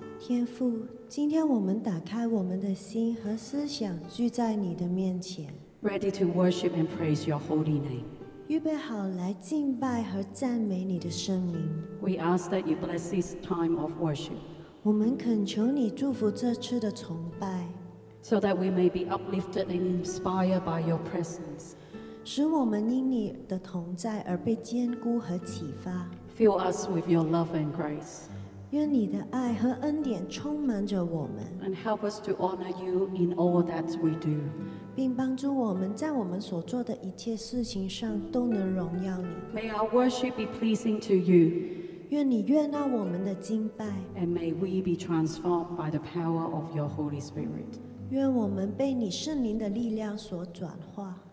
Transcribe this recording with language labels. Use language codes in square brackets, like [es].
[zh] 天父，今天我们打开我们的心和思想，聚在你的面前 [en] ，Ready to worship and praise your holy name， [zh] 预备好来敬拜和赞美你的圣名。 [en] We ask that you bless this time of worship， [zh] 我们恳求你祝福这次的崇拜 [en] ，So that we may be uplifted and inspired by your presence， [zh] 使我们因你的同在而被坚固和启发。 [en] Fill us with your love and grace。 [zh] 愿你的爱和恩典充满着我们 [en] ，and help us to honor you in all that we do， [zh] 并帮助我们在我们所做的一切事情上都能荣耀你。 [en] May our worship be pleasing to you， [zh] 愿你悦纳我们的敬拜 [en] ，and may we be transformed by the power of your Holy Spirit， [zh] 愿我们被你圣灵的力量所转化。